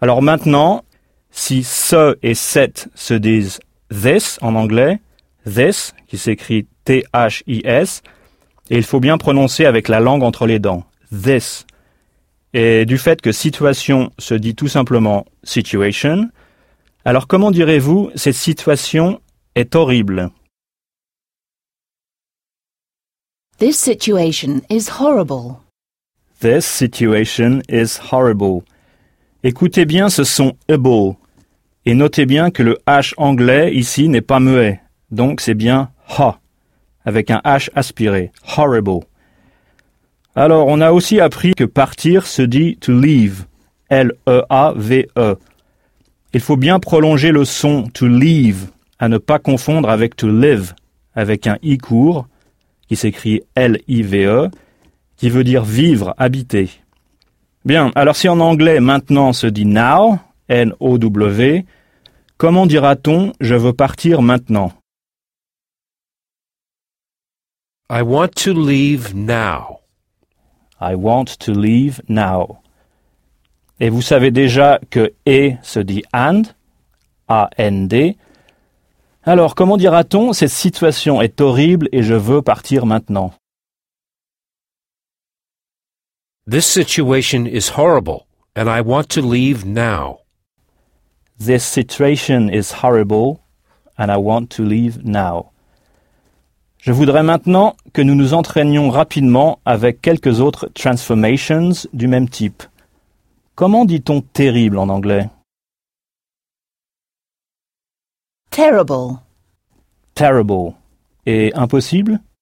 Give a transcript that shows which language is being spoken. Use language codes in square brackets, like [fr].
[fr] Alors maintenant, si « ce » et « cet » se disent « this » en anglais, « this », qui s'écrit « t-h-i-s », et il faut bien prononcer avec la langue entre les dents, « this ». Et du fait que « situation » se dit tout simplement « situation », alors comment direz-vous « cette situation est horrible » ? [en] This situation is horrible. This situation is horrible. [fr] Écoutez bien ce son able et notez bien que le H anglais ici n'est pas muet, donc c'est bien ha avec un H aspiré. Horrible. Alors, on a aussi appris que partir se dit to leave, L-E-A-V-E. Il faut bien prolonger le son to leave à ne pas confondre avec to live avec un I court. Qui s'écrit L-I-V-E, qui veut dire vivre, habiter. Bien, alors si en anglais maintenant se dit now, N-O-W, comment dira-t-on je veux partir maintenant? [en] I want to leave now. I want to leave now. [fr] Et vous savez déjà que et se dit and, A-N-D. Alors, comment dira-t-on « cette situation est horrible et je veux partir maintenant » ? [en] This situation is horrible and I want to leave now. This situation is horrible and I want to leave now. [fr] Je voudrais maintenant que nous nous entraînions rapidement avec quelques autres transformations du même type. Comment dit-on « terrible » en anglais ? [en] Terrible. [fr] Terrible. Et impossible?